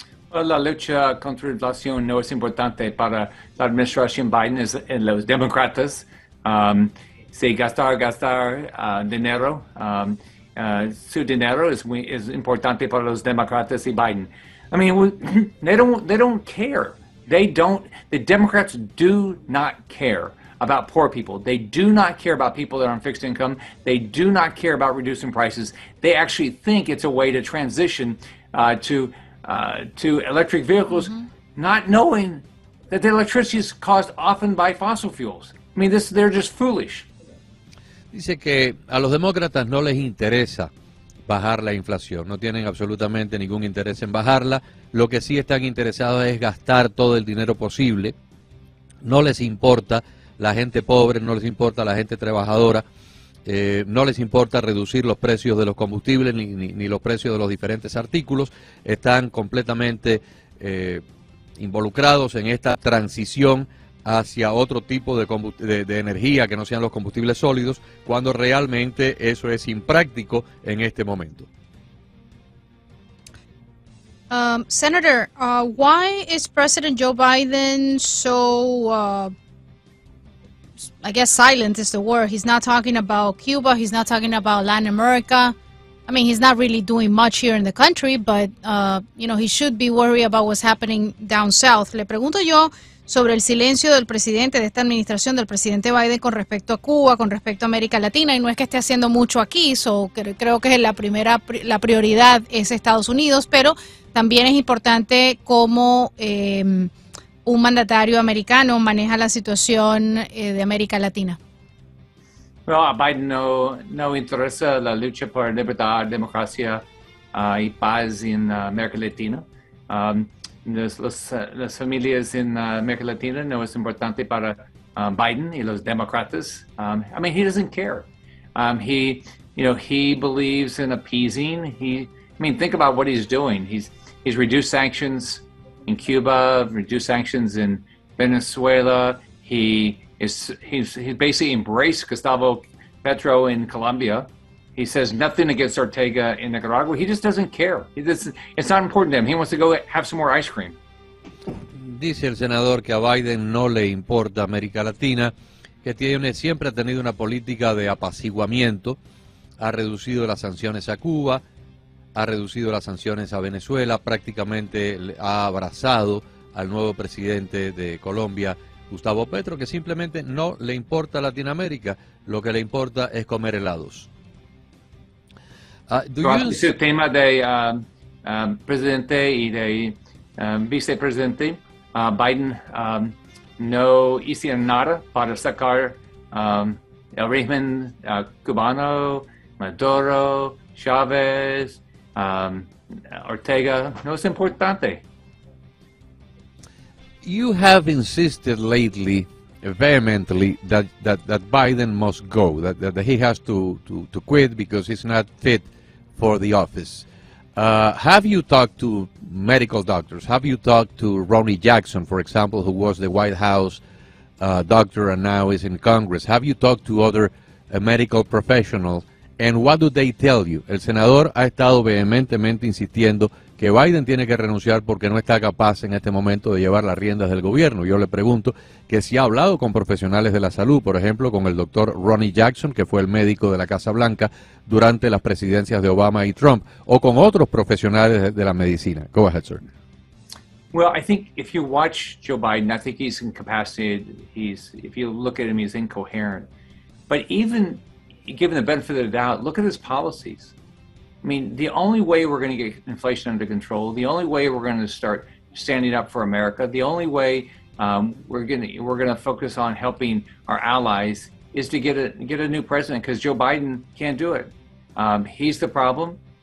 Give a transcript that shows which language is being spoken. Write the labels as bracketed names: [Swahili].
[Spanish] Well, la lucha contra la inflación no es importante para la administración Biden y los demócratas. Gastar dinero su dinero es muy es importante para los demócratas y Biden. [English] I mean, they don't care. The Democrats do not care about poor people. They do not care about people that are on fixed income. They do not care about reducing prices. They actually think it's a way to transition to electric vehicles, mm-hmm. not knowing that the electricity is caused often by fossil fuels. I mean, they're just foolish. [Spanish] Dice que a los demócratas no les interesa bajar la inflación. No tienen absolutamente ningún interés en bajarla. Lo que sí están interesados es gastar todo el dinero posible. No les importa la gente pobre, no les importa la gente trabajadora, no les importa reducir los precios de los combustibles ni los precios de los diferentes artículos. Están completamente involucrados en esta transición hacia otro tipo de energía que no sean los combustibles sólidos, cuando realmente eso es impráctico en este momento. [English] Senator, why is President Joe Biden so, I guess silent is the word. He's not talking about Cuba, he's not talking about Latin America. I mean, he's not really doing much here in the country, but, you know, he should be worried about what's happening down south. [Spanish] Le pregunto yo sobre el silencio del presidente, de esta administración, del presidente Biden con respecto a Cuba, con respecto a América Latina, y no es que esté haciendo mucho aquí, creo que la prioridad es Estados Unidos, pero también es importante cómo un mandatario americano maneja la situación de América Latina. Well, a Biden no interesa la lucha por libertad, democracia y paz en América Latina. Las familias en América Latina no es importante para Biden y los demócratas. [English] I mean, he doesn't care. He believes in appeasing. Think about what he's doing. He's reduced sanctions in Cuba, reduced sanctions in Venezuela. He basically embraced Gustavo Petro in Colombia. He says nothing against Ortega in Nicaragua. He just doesn't care. It's not important to him. He wants to go have some more ice cream. [Spanish] Dice el senador que a Biden no le importa América Latina, que siempre ha tenido una política de apaciguamiento, ha reducido las sanciones a Cuba, ha reducido las sanciones a Venezuela, prácticamente ha abrazado al nuevo presidente de Colombia, Gustavo Petro, que simplemente no le importa Latinoamérica, lo que le importa es comer helados. Su tema de presidente y de vicepresidente, Biden no hizo nada para sacar el régimen cubano, Maduro, Chávez, Ortega, no es importante. [English] You have insisted lately, vehemently, that Biden must go, that he has to quit because he's not fit for the office. Have you talked to medical doctors? Have you talked to Ronnie Jackson, for example, who was the White House doctor and now is in Congress? Have you talked to other medical professionals? And what do they tell you? [Spanish] El senador ha estado vehementemente insistiendo que Biden tiene que renunciar porque no está capaz en este momento de llevar las riendas del gobierno. Yo le pregunto que si ha hablado con profesionales de la salud, por ejemplo, con el doctor Ronnie Jackson, que fue el médico de la Casa Blanca durante las presidencias de Obama y Trump, o con otros profesionales de la medicina. [English] Go ahead, sir. Well, I think if you watch Joe Biden, I think he's incapacitated. If you look at him, he's incoherent. But even given the benefit of the doubt, look at his policies. I mean, the only way we're going to get inflation under control, the only way we're going to start standing up for America, the only way we're going to focus on helping our allies is to get a new president, because Joe Biden can't do it. He's the problem.